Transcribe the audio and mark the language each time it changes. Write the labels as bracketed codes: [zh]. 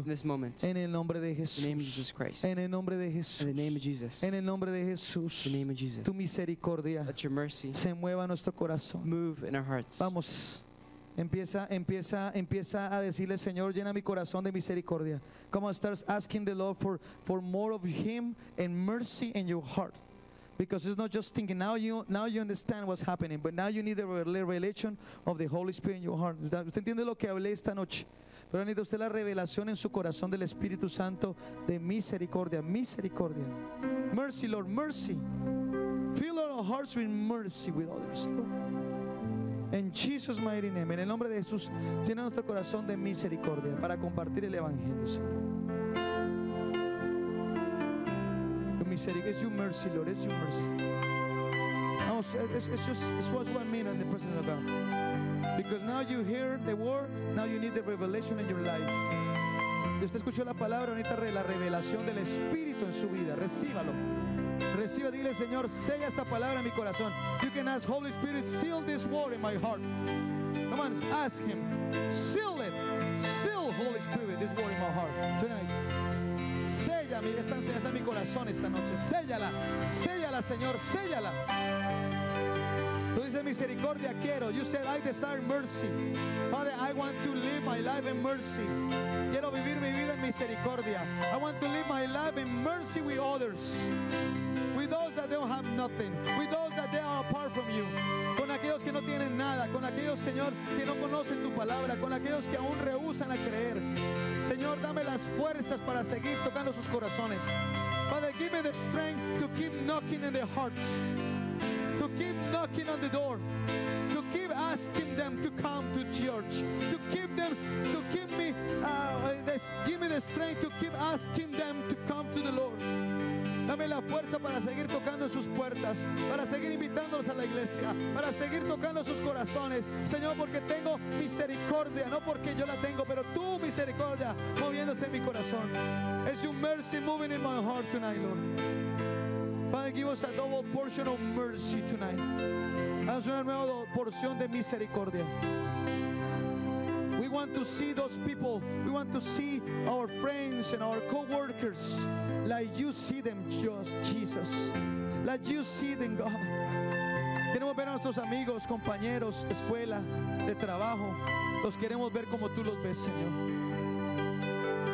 [en] in this moment, [es] en el nombre de Jesús, [en] in the name of Jesus Christ, [es] en el nombre de Jesús, [en] in the name of Jesus, [es] en el nombre de Jesús, [en] in the name of Jesus, [es] tu misericordia, [en] let your mercy, [es] se mueva nuestro corazón, [en] move in our hearts, [es] vamos. Empieza a decirle, Señor, llena mi corazón de misericordia. [en] Come on, start asking the Lord for more of Him and mercy in your heart. Because it's not just thinking, now you understand what's happening, but now you need the revelation of the Holy Spirit in your heart. [es] ¿Usted entiende lo que hablé esta noche? Pero necesita usted la revelación en su corazón del Espíritu Santo de misericordia, misericordia. [en] Mercy, Lord, mercy. Fill our hearts with mercy with others, Lord. [es] En [en] Jesus' mighty name, [es] en el nombre de Jesús, llena nuestro corazón de misericordia para compartir el Evangelio, Señor. Tu misericordia, es tu mercy, Lord, es tu mercy. [en] Vamos, it's just one minute in the presence of God. Because now you hear the word, now you need the revelation in your life. [es] Y usted escuchó la palabra, ahorita la revelación del Espíritu en su vida. Recíbalo. Reciba, dile, Señor, sella esta palabra en mi corazón. [en] You can ask, Holy Spirit, seal this word in my heart. Come on, ask Him. Seal it. Seal, Holy Spirit, this word in my heart. Tonight. [es] Sella esta enseñanza en mi corazón esta noche. Séllala. Séllala, Señor. Séllala. Tú dices, misericordia quiero. [en] You said, I desire mercy. Father, I want to live my life in mercy. [es] Quiero vivir mi vida en misericordia. [en] I want to live my life in mercy with others. With those that don't have nothing. With those that they are apart from you. [es] Con aquellos que no tienen nada. Con aquellos, Señor, que no conocen tu palabra. Con aquellos que aún rehúsan a creer. Señor, dame las fuerzas para seguir tocando sus corazones. [en] Father, give me the strength to keep knocking in their hearts. To keep knocking on the door. To keep asking them to come to church. To keep them, to keep me, give me the strength to keep asking them to come to the Lord. [es] Dame la fuerza para seguir tocando sus puertas, para seguir invitándolos a la iglesia, para seguir tocando sus corazones, Señor, porque tengo misericordia, no porque yo la tengo, pero tu misericordia moviéndose en mi corazón. [en] It's your mercy moving in my heart tonight, Lord. Father, give us a double portion of mercy tonight. [es] Haz una nueva porción de misericordia. [en] We want to see those people. We want to see our friends and our co-workers like you see them, Jesus. Like you see them, God. [es] Queremos ver a nuestros amigos, compañeros, escuela, de trabajo. Los queremos ver como tú los ves, Señor.